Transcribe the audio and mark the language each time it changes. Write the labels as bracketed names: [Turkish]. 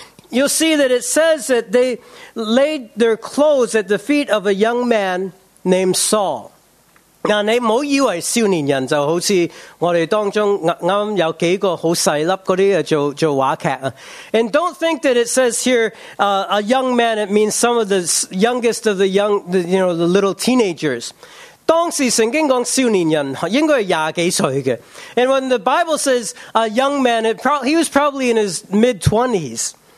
[English] You'll see that it says that they laid their clothes at the feet of a young man named Saul. [Cantonese] 嗱，你唔好以为少年人就好似我哋当中啱有几个好细粒嗰啲啊，做话剧啊。 [English] And don't think that it says here a young man. It means some of the youngest of the young, the little teenagers. [Cantonese] 当时圣经讲少年人应该系廿几岁嘅。 [English] And when the Bible says a young man, he was probably in his mid twenties.